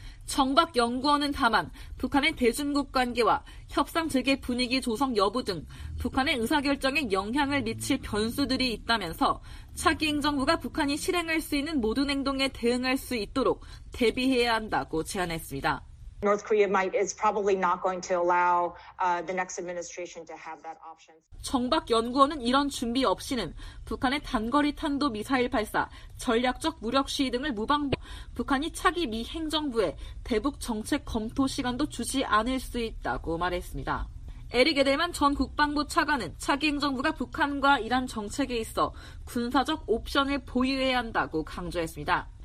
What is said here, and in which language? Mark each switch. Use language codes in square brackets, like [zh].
[ko] 정박 연구원은 다만 북한의 대중국 관계와 협상 재개 분위기 조성 여부 등 북한의 의사결정에 영향을 미칠 변수들이 있다면서 차기 행정부가 북한이 실행할 수 있는 모든 행동에 대응할 수 있도록 대비해야 한다고 제안했습니다. [en] North Korea might is probably not going to allow the next administration to have that option. [ko] 정박 연구원은 이런 준비 없이는 북한의 단거리 탄도 미사일 발사, 전략적 무력 시위 등을 무방비 북한이 차기 미 행정부에 대북 정책 검토 시간도 주지 않을 수 있다고 말했습니다. 에릭 에델만 전 국방부 차관은 차기 행정부가 북한과 이란 정책에 있어 군사적 옵션을 보유해야 한다고 강조했습니다.